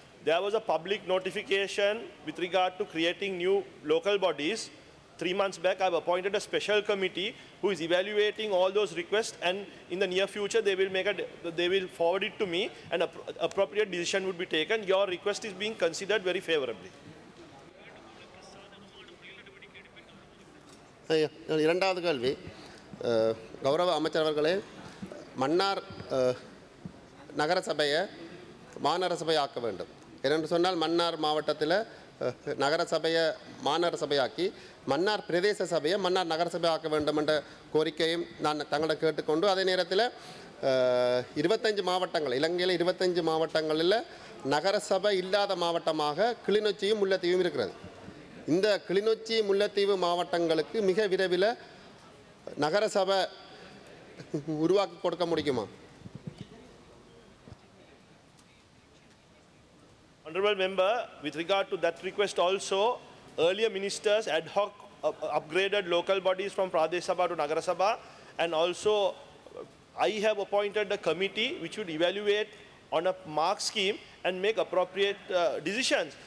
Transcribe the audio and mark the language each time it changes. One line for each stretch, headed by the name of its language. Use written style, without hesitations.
English: There was a public notification with regard to creating new local bodies. 3 months back, I have appointed a special committee who is evaluating all those requests, and in the near future, they will forward it to me, and appropriate decision would be taken. Your request is being considered very favorably.
Tamil: இரண்டாவது கேள்வி, கௌரவ அமைச்சரவர்களே, மன்னார் நகரசபையை மாநகரசபையாக்க வேண்டும். ஏனென்று சொன்னால் மன்னார் மாவட்டத்தில் நகரசபையை மாநகரசபையாக்கி மன்னார் பிரதேச சபையை மன்னார் நகரசபையாக்க வேண்டும் என்ற கோரிக்கையும் நான் தங்களை கேட்டுக்கொண்டு, அதே நேரத்தில் 25 மாவட்டங்களில் நகரசபை இல்லாத மாவட்டமாக கிளிநொச்சியும் முல்லைத்தீவும் இருக்கிறது. இந்த கிளிநொச்சி முல்லைத்தீவு மாவட்டங்களுக்கு மிக விரைவில் நகரசபை உருவாக்கி கொடுக்க முடியுமா?
English: Honorable Member, with regard to that request also, earlier ministers ad hoc upgraded local bodies from Pradesh Sabha to Nagar Sabha, and also I have appointed a committee which would evaluate on a mark scheme and make appropriate decisions.